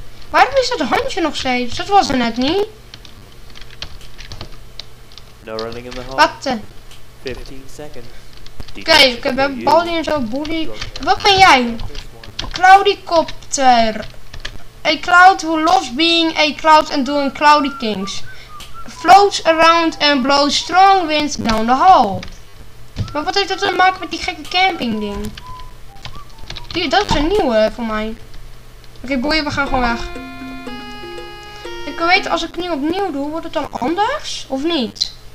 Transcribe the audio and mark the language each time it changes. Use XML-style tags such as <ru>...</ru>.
<nl>Waarom is dat handje nog steeds? Dat was er net niet.</nl> <en>No running in the hall.</en> <nl>Wat?</nl> <en>15 seconds.</en> <nl>Oké, we hebben Baldi en zo, Boelie. Wat ben jij? Cloudicopter.</nl> <en>A cloud who loves being a cloud and doing cloudy things. Floats around and blows strong winds down the hall.</en> <nl>Maar wat heeft dat te maken met die gekke camping ding? Hier, dat is een nieuwe voor mij. Oké, boeien, we gaan gewoon weg. Ik weet, als ik het nu opnieuw doe, wordt het dan anders? Of niet?</nl>